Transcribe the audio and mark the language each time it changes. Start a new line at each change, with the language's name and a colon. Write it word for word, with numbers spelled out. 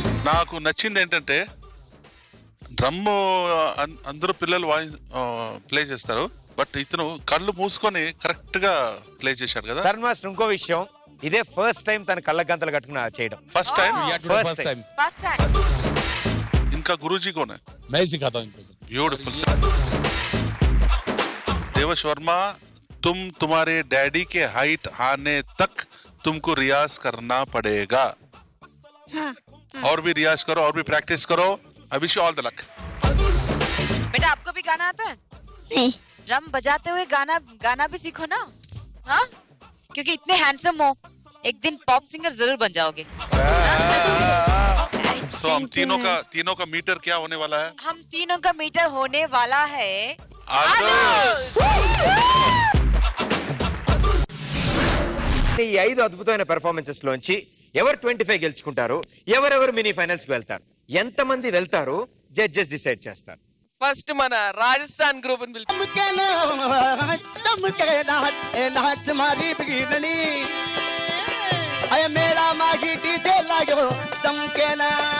Telugu: నాకు నచ్చింది ఏంటంటే డ్రమ్ అందరూ పిల్లలు వాయి ప్లే చేస్తారు, బట్ ఇతను కళ్ళు మూసుకొని కరెక్ట్ గా ప్లే చేశాడు కదా. ధర్మ మాస్టర్ ఇంకో విషయం, ఇదే ఫస్ట్ టైం తన కళ్ళ గంతలు కట్టుకుని చేయడం.
English: First time Yeah, today First first time. time. First time
Telugu: ఇంకా గురూజీ కోనే
Hindi: मैं ही सिखाता हूँ इनको सर। Beautiful sir. देवश वर्मा तुम तुम्हारे डैडी के हाइट आने तक तुमको रियाज करना पड़ेगा. और भी रियाज करो और भी प्रैक्टिस करो.
English: I wish you all the luck.
Hindi: बेटा आपको भी गाना आता है? ड्रम बजाते हुए गाना गाना भी सीखो ना, हाँ, क्योंकि इतने हैंडसम हो एक दिन पॉप सिंगर जरूर बन जाओगे. सो हम तीनों का तीनों का मीटर क्या होने वाला है? हम तीनों का मीटर होने वाला है. आदर्श.
Telugu: ఈ ఐదు అద్భుతమైన పెర్ఫార్మెన్సెస్ లోంచి ఎవరు ట్వంటీ ఫైవ్ గెలుచుకుంటారు, ఎవరెవరు మినీ ఫైనల్స్ కి వెళ్తారు, ఎంత మంది వెళ్తారు జడ్జెస్ డిసైడ్ చేస్తారు. ఫస్ట్ మన రాజస్థాన్ గ్రూప్ चमके ना चमके ना ए नाच मारी बिगड़नी अय मेरा मागी डीजे लागो चमके ना